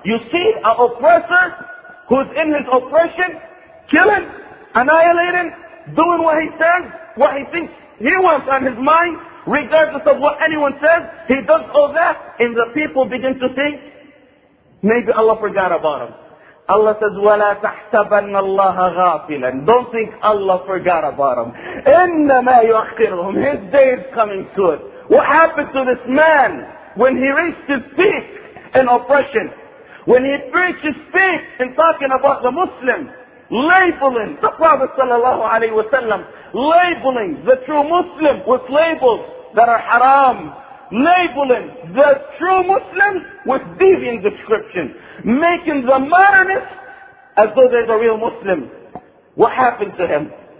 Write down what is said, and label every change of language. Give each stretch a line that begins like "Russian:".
English: You see an oppressor, who's in his oppression, killing, annihilating, doing what he says, what he thinks he wants on his mind, regardless of what anyone says, he does all that, and the people begin to think, maybe Allah forgot about him. Allah says,
Arabic: وَلَا تَحْسَبَنَّ اللَّهَ غَافِلًا.
English: Don't think Allah forgot about him.
Arabic: إِنَّمَا يُؤَخِّرُهُمْ.
English: His day is coming soon. What happened to this man when he reached his peak in oppression? When he preached his faith in talking about the Muslims, labeling the Prophet sallallahu alaihi wasallam, labeling the true Muslim with labels that are haram, labeling the true Muslims with deviant descriptions, making the modernists as though they're the real Muslims. What happened to him?